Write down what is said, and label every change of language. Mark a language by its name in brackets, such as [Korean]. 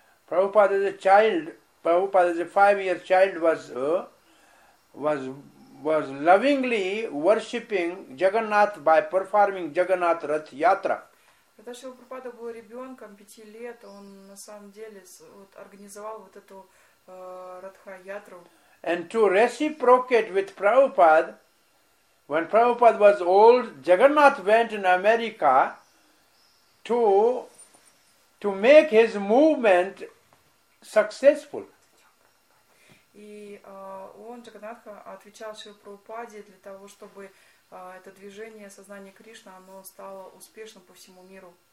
[English] Prabhupada as a child, Prabhupada as a 5-year child was lovingly worshipping Jagannath by performing Jagannath Rath Yatra. [Russian] Когда Шрила Прабхупада был ребенком 5 лет, он на самом деле вот, организовал вот эту Радха-Ятру. [English] And to reciprocate with Prabhupada, when Prabhupada was old, Jagannath went in America to make his movement successful. [Russian] И он, Джагнатх, отвечал Шрила Прабхупаде для того, чтобы это движение сознания Кришны, оно стало успешным по всему миру.